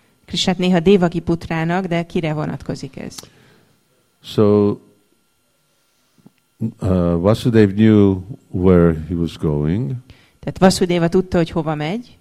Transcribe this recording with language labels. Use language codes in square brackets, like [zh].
[hu] Krisnát néha Devaki putrának, de kire vonatkozik ez? [en] So Vasudev knew where he was going. [hu] Tehát Vasudeva tudta, hogy hova megy.